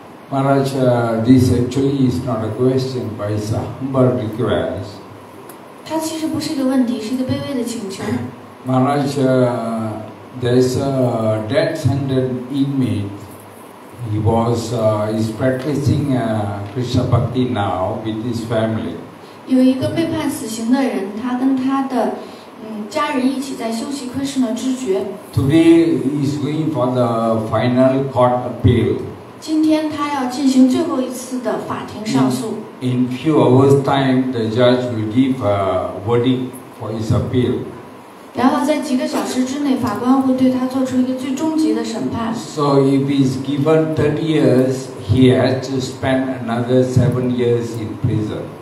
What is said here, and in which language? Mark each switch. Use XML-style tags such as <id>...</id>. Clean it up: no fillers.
<en>Maharaj, this actually is not a question, but it's a humble request.</en> <zh>它其实不是一个问题，是一个卑微的请求。</zh> <en>Maharaj, there's a death sentence inmate. He was is practicing Krishna bhakti now with his family.</en> <zh>有一个被判死刑的人，他跟他的家人一起在修习 Krishna 知觉。</zh> <en>Today he's going for the final court appeal.</en> <zh>今天他要进行最后一次的法庭上诉。</zh> <en>In few hours time, the judge will give a verdict for his appeal.</en> <zh>然后在几个小时之内，法官会对他做出一个最终极的审判。</zh> <en>So if he's given 30 years, he has to spend another 7 years in prison.</en>